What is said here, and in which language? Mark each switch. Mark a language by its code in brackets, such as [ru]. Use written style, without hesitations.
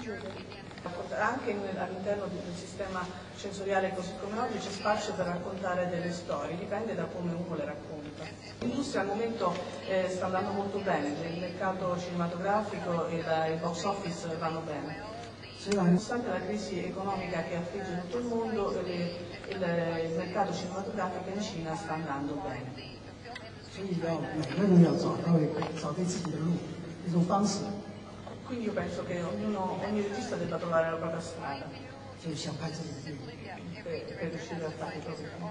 [it] Anche all'interno del sistema censoriale così come oggi c'è spazio per raccontare delle storie, dipende da come uno le racconta. L'industria al momento sta andando molto bene, il mercato cinematografico e il box office vanno bene. Nonostante la crisi economica che affligge tutto il mondo, il mercato cinematografico in Cina sta andando bene. [zh] 所以要找到一个找对自己的路，一种方式。所以，想拍自己的电影。 [it] Quindi io penso che ogni regista debba trovare la propria strada per riuscire a fare cose.